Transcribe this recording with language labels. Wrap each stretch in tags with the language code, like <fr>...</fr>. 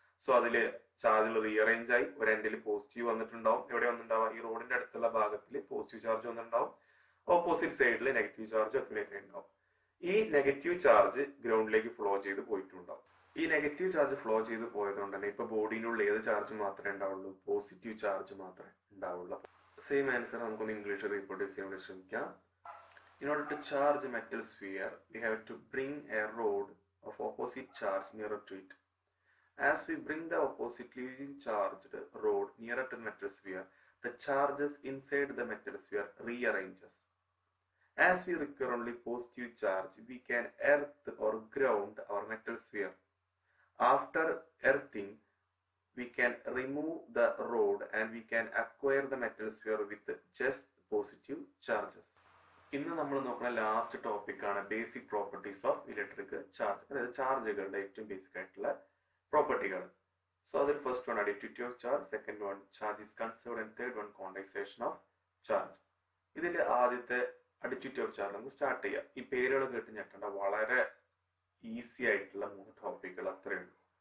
<ml>So അതില് charge rearrange ആയി, ഒരു എൻഡിൽ പോസിറ്റീവ് വന്നിട്ടുണ്ടാവും, എവിടെ വന്നിട്ടുണ്ടാവുക, ഈ റോഡിന്റെ അടുത്തുള്ള ഭാഗത്തിൽ പോസിറ്റീവ് ചാർജ് വന്നിട്ടുണ്ടാവും, ഓപ്പോസിറ്റ് സൈഡിൽ നെഗറ്റീവ് ചാർജ് അക്യുമുലേറ്റ് ഉണ്ടാവും. ഈ നെഗറ്റീവ് ചാർജ് ഗ്രൗണ്ടിലേക്ക് ഫ്ലോ ചെയ്ത് പോയിട്ടുണ്ടാവും. ഈ നെഗറ്റീവ് ചാർജ് ഫ്ലോ ചെയ്ത് പോയത് കൊണ്ട് തന്നെ ഇപ്പൊ ബോഡിയിലുള്ള ഏത് ചാർജ് മാത്രമേ ഉണ്ടാവുള്ളൂ, പോസിറ്റീവ് ചാർജ് മാത്രമേ ഉണ്ടാവുള്ളൂ. സെയിം ആൻസർ നമുക്കൊന്ന് ഇംഗ്ലീഷിൽ റിപ്പോർട്ട് ചെയ്യാൻ വേണ്ടി ശ്രമിക്കാം.</ml> <en>In order to charge a metal sphere, we have to bring a rod of opposite charge nearer to it. As we bring the oppositely charged rod nearer to the metal sphere, the charges inside the metal sphere rearranges. As we require only positive charge, we can earth or ground our metal sphere. After earthing, we can remove the rod and we can acquire the metal sphere with just positive charges.</en> <ml>ഇന്ന് നമ്മൾ നോക്കുന്ന last ടോപ്പിക്കാണ്</ml> <en>basic properties of electric charge,</en> <ml>അതായത് ചാർജുകളുടെ ഏറ്റവും basic ആയിട്ടുള്ള പ്രോപ്പർട്ടികൾ.</ml> <en>So അതിൽ first one additivity of charge, second one charge is conserved, and third one quantization of charge.</en> <ml>ഇതിൽ ആദ്യത്തെ അഡിറ്റിവിറ്റി ഓഫ് ചാർജ് നമുക്ക് സ്റ്റാർട്ട് ചെയ്യാം. ഈ പേരുകൾ കേട്ട് ഞെട്ടേണ്ട, വളരെ ഈസി ആയിട്ടുള്ള മൂന്ന് ടോപ്പിക്കുകൾ അത്രയേ ഉള്ളൂ.</ml>